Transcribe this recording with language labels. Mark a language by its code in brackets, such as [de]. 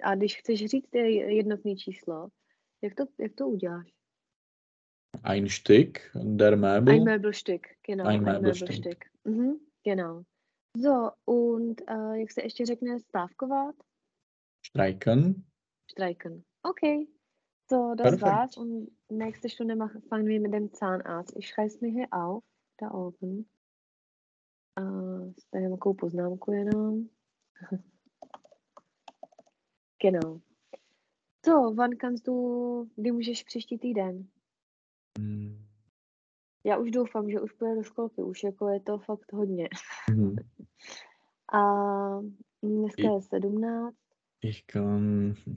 [cs] A když chceš říct jednotné číslo, jak to uděláš? [de] Ein Stück der Möbel. Ein Möbelstück, genau. Ein Möbelstück. Genau. So, und [cs] jak se ještě řekne stávkovat? [de] Streiken. Streiken. Okay. So, das Perfekt. War's. Und nächste Stunde fangen wir mit dem Zahnarzt. Ich schreibe es mir hier auf, da oben. Da haben wir eine [cs] Poznámku jenom. [de] Genau. So, wann kannst du, wie [cs] můžeš příští týden? Já už doufám, že už půjde do školky, už jako je to fakt hodně. A dneska je 17. [de] Ich kann...